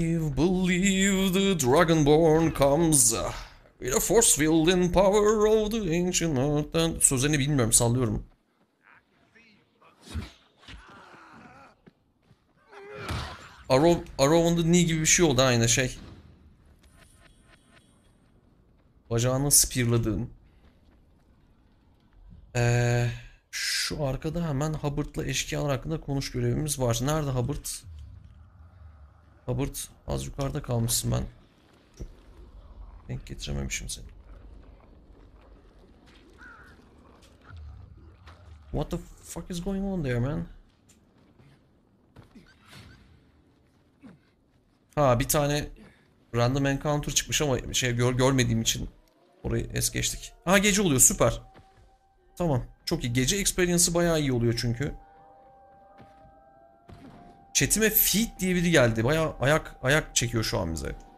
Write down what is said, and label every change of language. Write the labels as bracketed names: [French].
[English] Believe the Dragonborn comes with a force field in power of the ancient earth. [Turkish] Sözlerini bilmiyorum, sallıyorum. Arrow on the Knee gibi bir şey oldu, aynı şey. Bacağını spearladığım. Şu arkada hemen Hubbard'la eşkıyalar hakkında konuş görevimiz var. Nerede Hubbard? Hubbard az yukarıda kalmışsın ben. Denk getirememişim seni. [English] What the fuck is going on there, man? [Turkish] Ha, bir tane random encounter çıkmış ama şey görmediğim için orayı es geçtik. Ha, gece oluyor, süper. Tamam, çok iyi. Gece experience'ı bayağı iyi oluyor çünkü. Chat'ime feed diye biri geldi. Bayağı ayak çekiyor şu an bize.